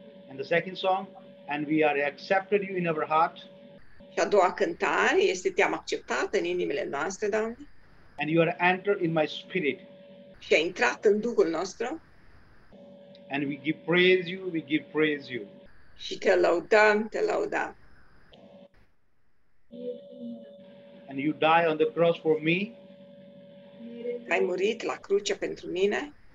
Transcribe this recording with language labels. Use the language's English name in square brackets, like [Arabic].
[English] And the second song, and we are accepted you in our heart. [Romanian] Și a doua cântare este, te-am acceptat în inimile noastre, Doamne. [English] And you are entered in my spirit. [Romanian] Și ai intrat în Duhul nostru. [English] And we give praise you, we give praise you. [Romanian] Și te laudăm, te laudăm. [English] And you die on the cross for me. [Romanian] Ai murit la cruce pentru mine.